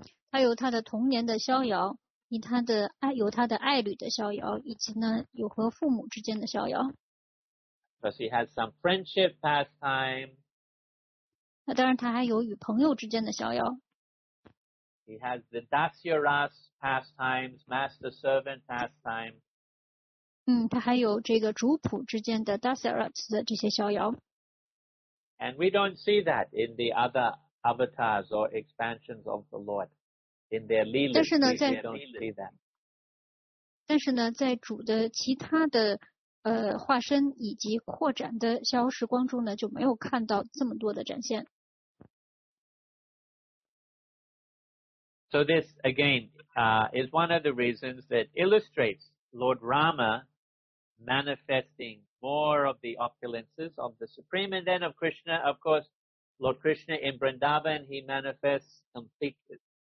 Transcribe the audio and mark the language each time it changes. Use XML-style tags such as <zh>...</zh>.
<zh>他有他的童年的逍遥，有他的爱侣的逍遥，以及呢有和父母之间的逍遥。</zh> <en>Plus he has some friendship pastime.</en> <zh>那当然他还有与朋友之间的逍遥。</zh> <en>He has the Dasya Ras pastimes, master servant pastime.</en> <zh>他还有这个主仆之间的 Dasya Ras 的这些逍遥。</zh> <en>And we don't see that in the other avatars or expansions of the Lord. In their Leela, we don't see that.</en> <zh>但是呢，在主的其他的化身以及扩展的逍遥时光中呢，就没有看到这么多的展现。</zh> <en>So this, again, is one of the reasons that illustrates Lord Rama manifesting more of the opulences of the Supreme, and then of Krishna, of course, Lord Krishna in Vrindavan, he manifests completely.</en>